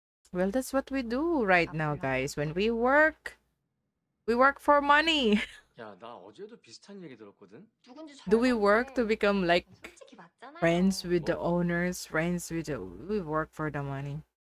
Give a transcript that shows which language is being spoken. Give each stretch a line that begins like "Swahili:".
English: Well, that's what we do right now, guys. When we work for money.
Korean: 야, 나 어제도 비슷한 얘기 들었거든.
English: Do we work to become like friends with the owners, friends with the we work for the money.